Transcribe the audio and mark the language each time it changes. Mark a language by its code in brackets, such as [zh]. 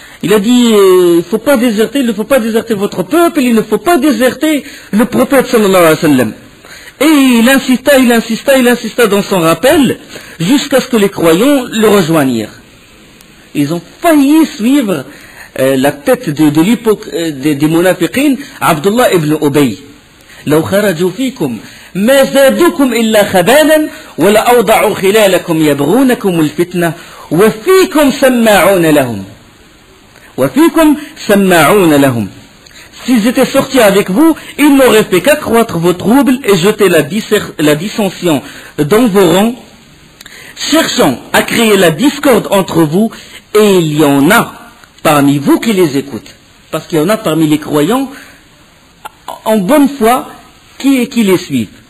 [fr] Il a dit, il ne faut pas déserter votre peuple, il ne faut pas déserter le prophète sallallahu alayhi wa sallam. Et il insista dans son rappel, jusqu'à ce que les croyants le rejoignirent. Ils ont failli suivre la tête de l'époque des munafiqin, Abdullah ibn Ubay. [ar] لو خرجوا فيكم ما زادوكم إلا خبالا ولا أوضعوا خلالكم يبغونكم الفتنة وفيكم سماعون لهم وفيكم سماعون لهم. [fr] S'ils étaient sortis avec vous, ils n'auraient fait qu'accroître vos troubles et jeter la dissension dans vos rangs, cherchant à créer la discorde entre vous, et il y en a parmi vous qui les écoutent. Parce qu'il y en a parmi les croyants, en bonne foi, qui les suivent.